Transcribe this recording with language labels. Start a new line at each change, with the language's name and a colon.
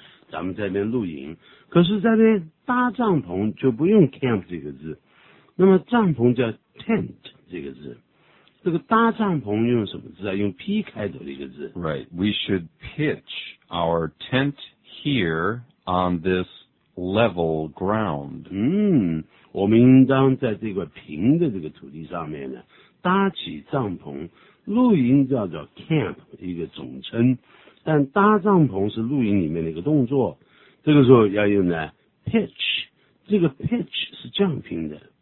Chinese: 咱们在这边露营，可是在这边搭帐篷就不用 camp 这个字，那么帐篷叫 tent 这个字，这个搭帐篷用什么字啊？用 P 开头的一个字。
English: Right, we should pitch our tent here on this level ground.
Chinese: 我们应当在这个平的这个土地上面呢搭起帐篷，露营叫做 camp 一个总称，但搭帐篷是露营里面的一个动作，这个时候要用呢 pitch, 这个 pitch 是这样拼的